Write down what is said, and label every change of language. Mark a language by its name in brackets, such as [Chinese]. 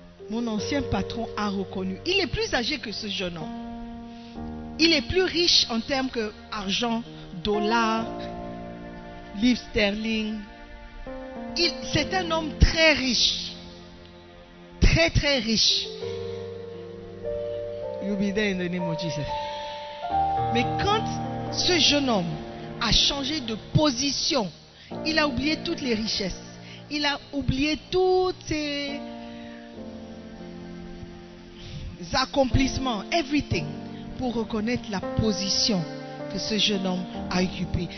[French] Mon ancien patron a reconnu. Il est plus âgé que ce jeune homme. Il est plus riche en termes que argent, dollars, livres sterling. C'est un homme très riche. Très, très riche. [English] You'll be there in the name of Jesus. [French] Mais quand ce jeune homme a changé de position, il a oublié toutes les richesses. Il a oublié tous ses accomplissements, [English] everything, [French] pour reconnaître la position que ce jeune homme a occupée.